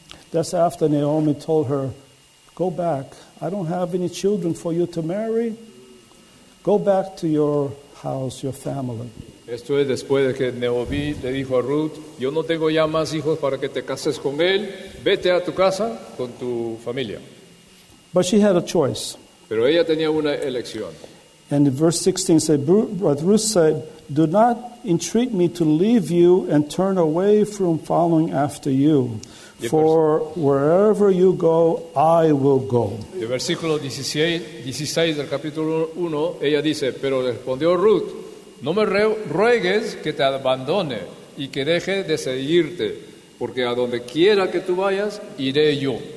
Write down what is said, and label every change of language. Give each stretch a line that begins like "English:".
English: That's after Naomi told her, go back. I don't have any children for you to marry. Go back to your house, your family.
Spanish: Esto es después de que Naomi le dijo a Ruth, yo no tengo ya más hijos para que te cases con él, vete a tu casa con tu familia.
English: But she had a choice.
Spanish: Pero ella tenía una elección.
English: And in verse 16 said, Ruth said, do not entreat me to leave you and turn away from following after you. For wherever you go, I will go.
Spanish: El versículo 16 del capítulo 1, ella dice, pero respondió Ruth, no me ruegues que te abandone y que deje de seguirte, porque a donde quiera que tú vayas, iré yo.